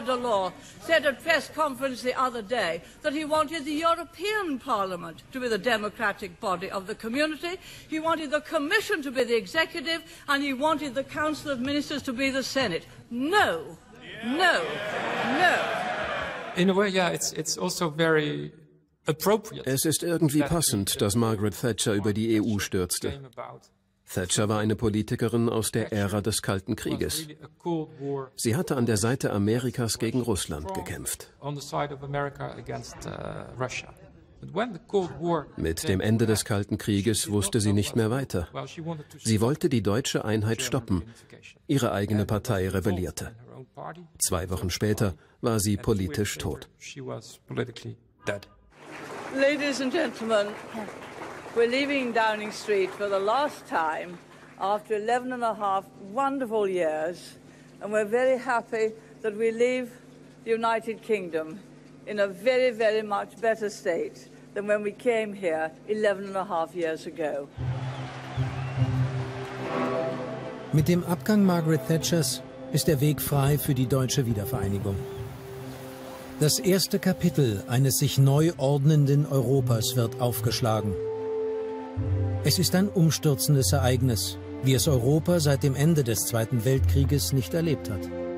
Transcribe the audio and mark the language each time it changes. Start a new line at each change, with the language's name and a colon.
English: Delors, said at press conference the other day that he wanted the European Parliament to be the democratic body of the community. He wanted the commission to be the executive and he wanted the council of ministers to be the Senate. No, no, no. In a way, yeah, it's also very appropriate.
German: Es ist irgendwie passend, dass Margaret Thatcher über die EU stürzte. Thatcher war eine Politikerin aus der Ära des Kalten Krieges. Sie hatte an der Seite Amerikas gegen Russland gekämpft. Mit dem Ende des Kalten Krieges wusste sie nicht mehr weiter. Sie wollte die deutsche Einheit stoppen. Ihre eigene Partei rebellierte. Zwei Wochen später war sie politisch tot.
English: Ladies and gentlemen, we're leaving Downing Street for the last time after 11 and a half wonderful years, and we're very happy that we leave the United Kingdom in a very, very much better state than when we came here 11 and a half years ago.
German: Mit dem Abgang Margaret Thatchers ist der Weg frei für die deutsche Wiedervereinigung. Das erste Kapitel eines sich neu ordnenden Europas wird aufgeschlagen. Es ist ein umstürzendes Ereignis, wie es Europa seit dem Ende des Zweiten Weltkrieges nicht erlebt hat.